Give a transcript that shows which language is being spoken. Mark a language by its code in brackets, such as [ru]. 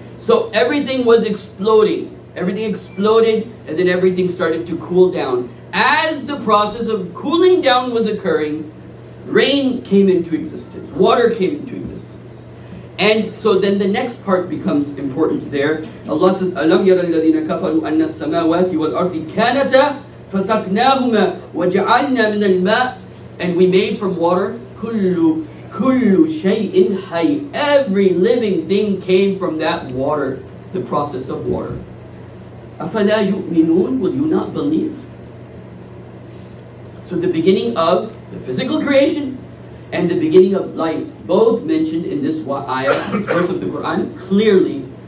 [en] So everything was exploding. Everything exploded, and then everything started to cool down. As the process of cooling down was occurring, rain came into existence. Water came into existence. And so then the next part becomes important there. Allah says, [ar] أَلَمْ يَرَى الَّذِينَ كَفَرُوا أَنَّ السَّمَاوَاتِ وَالْأَرْضِ كَانَتَا فَتَقْنَاهُمَا وَجَعَلْنَا مِنَ الْمَاءِ. [en] And we made from water [ar] كُلُّ شَيْءٍ حَيٍّ. [en] Every living thing came from that water, the process of water. [ar] أَفَلَا يُؤْمِنُونَ. [en] Will you not believe? So the beginning of the physical creation and the beginning of life, both mentioned in this ayah, this verse of the Quran, clearly.